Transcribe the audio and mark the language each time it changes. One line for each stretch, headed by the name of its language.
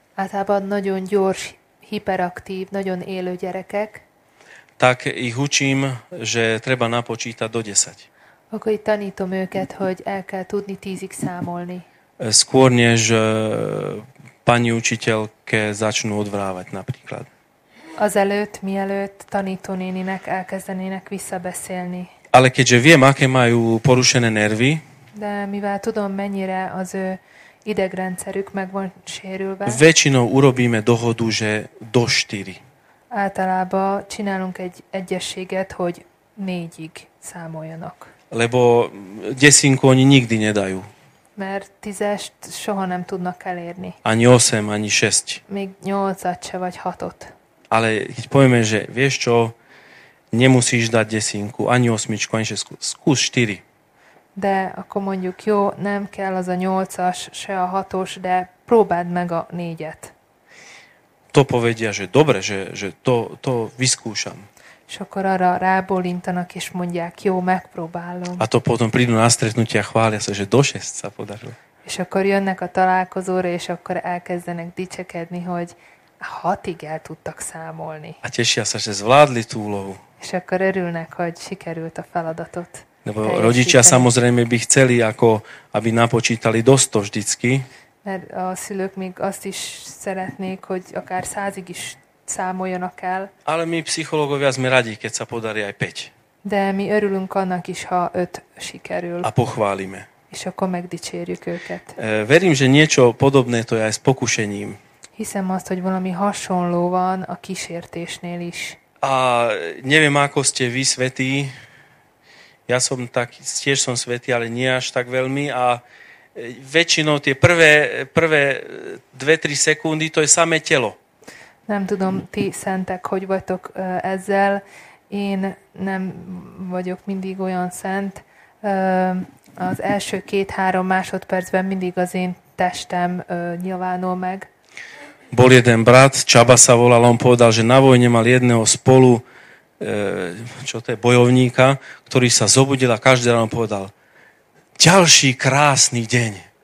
Hungarian: Általában nagyon gyors, hyperaktív, nagyon élő gyerekek.
Slovak: Tak ich učím, že treba napočítať do 10.
Hungarian: Akkor így tanítom őket, hogy el kell tudni 10-ig számolni.
Slovak: Skôr než pani učiteľke začnú odvrávať napríklad.
Hungarian: Azelőtt, mielőtt tanítónéninek elkezdenének visszabeszélni.
Slovak: Ale keďže viem, aké majú porušené nervy.
Hungarian: De mivel tudom, mennyire az ő idegrendszerük meg van sérülve.
Slovak: Väčšinou urobíme dohodu, že do 4.
Hungarian: Általában csinálunk egy egyességet, hogy 4-ig számoljanak.
Slovak: Lebo desinku oni nikdy nedajú.
Hungarian: Mert 10-est soha nem tudnak elérni.
Slovak: Ani 8, ani 6.
Hungarian: Még 8-at se, vagy 6-ot.
Slovak: Ale keď povieme, že vieš čo, nemusíš dať desinku, ani 8, ani 6, skús 4.
Hungarian: De akkor mondjuk, jó, nem kell az a 8-as, se a 6-os, de próbáld meg a 4-et.
Slovak: To povedia, že dobre, že to vyskúšam.
Hungarian: És akkor arra rábólintanak, és mondják, jó, megpróbálom.
Slovak: A to potom prídu na stretnutie a chvália sa, že do 6 sa podarilo.
Hungarian: És akkor jönnek a találkozóra, és akkor elkezdenek dicsekedni, hogy 6-ig el tudtak számolni.
Slovak: A tešia sa, že zvládli tú úlohu.
Hungarian: És akkor örülnek, hogy sikerült a feladatot.
Slovak: Lebo rodičia samozrejme by chceli, ako aby napočítali dosť to vždycky.
Hungarian: Mert a szülők még azt is szeretnék, hogy akár 100-ig is számoljanak el.
Slovak: Ale my pszichológovia sme radi, keď sa podarí aj 5.
Hungarian: De mi örülünk annak is, ha 5 sikerül.
Slovak: A pochválime.
Hungarian: És akkor megdicsérjük őket.
Slovak: Verím, že niečo podobné to je aj s pokušením.
Hungarian: Hiszem azt, hogy valami hasonló van a kísértésnél is.
Slovak: A neviem, ako ste vy svätí. Ja som tak, tiež som svätý, ale nie až tak veľmi. A väčšinou tie prvé 2-3 sekundy, to je samé telo.
Hungarian: Nem tudom, ti szentek, hogy vagytok ezzel. Én nem vagyok mindig olyan szent. Az első 2-3 másodpercben mindig az én testem nyilvánul meg.
Slovak: Bol jeden brat, Csaba sa volal, on povedal, že na vojne mal jedného spolu, čo to je, bojovníka, ktorý sa zobudil a každý ráno povedal, ďalší krásny deň.